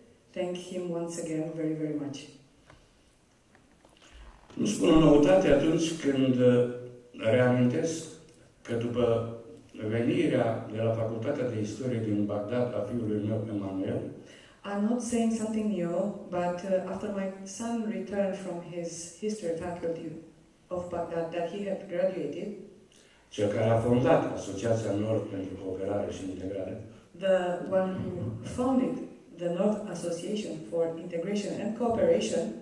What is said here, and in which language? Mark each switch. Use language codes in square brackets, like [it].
[en] Thank him once again very, very much. [ro] Nu spun o noutate atunci când reamintesc că după venirea de la Facultatea de Istorie din Bagdad a fiului meu, Emmanuel, [en] I'm not saying something new, but after my son returned from his history faculty of Baghdad, that he had graduated, [ro] cel care a fondat Asociația Nord pentru Cooperare și Integrare, [en] the one who founded the North Association for Integration and Cooperation,